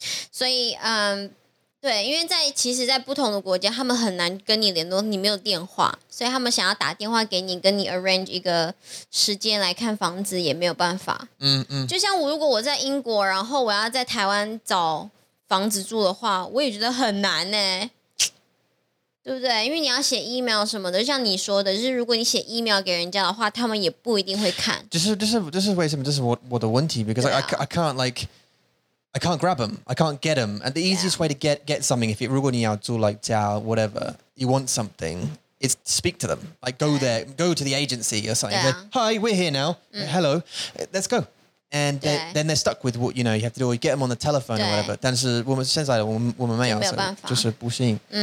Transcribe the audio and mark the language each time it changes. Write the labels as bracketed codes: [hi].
[zh] 所以, 对，因为在其实，在不同的国家，他们很难跟你联络，你没有电话，所以他们想要打电话给你，跟你 arrange 一个时间来看房子，也没有办法。就像我，如果我在英国，然后我要在台湾找房子住的话，我也觉得很难呢，对不对？因为你要写 email 什么的，就像你说的，就是如果你写 email 给人家的话，他们也不一定会看。这是为什么？这是我的问题 [en] ，because I can't like. I can't grab them. I can't get them. And the easiest way to get something, if you want to like whatever, you want something, is to speak to them. Like go there, go to the agency or something. Yeah. Say, hi, we're here now. Hello, let's go. And then they're stuck with what, you know, you have to do, or you get them on the telephone or whatever. [zh] 但是我们现在我们没有，就是不行。